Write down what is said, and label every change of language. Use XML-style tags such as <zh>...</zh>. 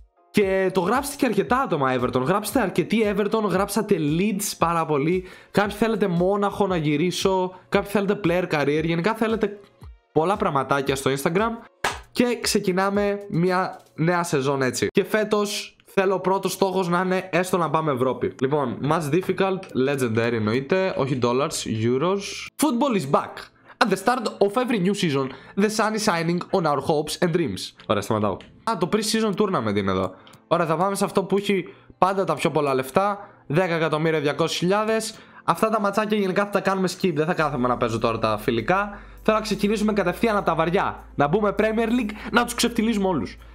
<el>Και το γράψτε και αρκετά άτομα Everton. Γράψτε αρκετοί Everton. Γράψατε Leeds πάρα πολύ. Κάποιοι θέλετε Μόναχο να γυρίσω. Κάποιοι θέλετε player career. Γενικά θέλετε πολλά πραγματάκια στο Instagram. Και ξεκινάμε μια νέα σεζόν έτσι. Και φέτος θέλω ο πρώτος στόχος να είναι έστω να πάμε Ευρώπη.</el> <en>Λοιπόν, match difficult, legendary</en> <el>εννοείται, όχι</el> <en>dollars, euros. Football is back. At the start of every new season, the sun is shining on our hopes and dreams.</en> <el>Ωραία, σταματάω. Α, το pre-season tournament είναι εδώ. Ωραία, θα πάμε σε αυτό που έχει πάντα τα πιο πολλά λεφτά, 10.200.000. Αυτά τα ματσάκια γενικά θα τα κάνουμε skip, δεν θα κάθομαι να παίζω τώρα τα φιλικά. Θέλω να ξεκινήσουμε κατευθείαν από τα βαριά. Να μπούμε Premier League, να τους ξεφτυλίσουμε όλους.</el>